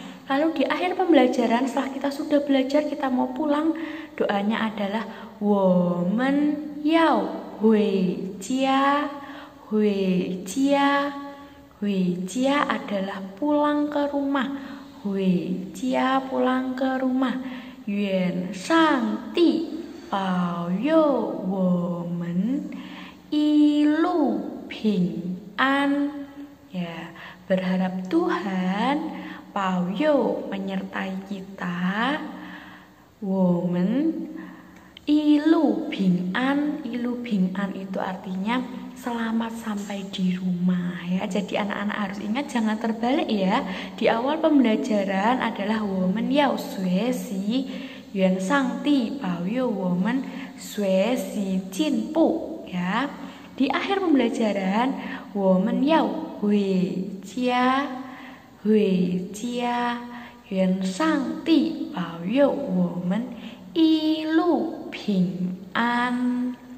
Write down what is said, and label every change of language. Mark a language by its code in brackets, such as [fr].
[id] Lalu di akhir pembelajaran setelah kita sudah belajar kita mau pulang, doanya adalah [zh] 我们要回家。回家，回家 [id] adalah pulang ke rumah. [zh] 回家， [id] pulang ke rumah. [zh] 愿上帝保佑我们一路平安 [id] ya, berharap Tuhan [zh] 保佑 [id] menyertai kita [zh] 我们一路平安。一路平安 [id] itu artinya selamat sampai di rumah ya. Jadi anak-anak harus ingat jangan terbalik ya. Di awal pembelajaran adalah [zh] 我们要学习，愿上帝保佑我们学习进步ya. [id] Di akhir pembelajaran [zh] 我们要回家，回家，愿上帝保佑我们一路平安。